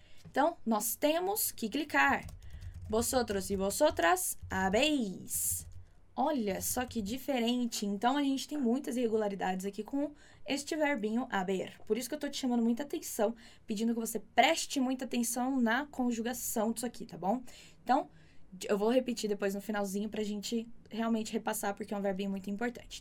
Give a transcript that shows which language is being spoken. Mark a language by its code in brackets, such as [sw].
[pt] Então, nós temos que clicar. [es] Vosotros e vosotras habéis. [pt] Olha só que diferente. Então, a gente tem muitas irregularidades aqui com este verbinho haber. Por isso que eu tô te chamando muita atenção, pedindo que você preste muita atenção na conjugação disso aqui, tá bom? Então, eu vou repetir depois no finalzinho pra gente realmente repassar, porque é um verbinho muito importante.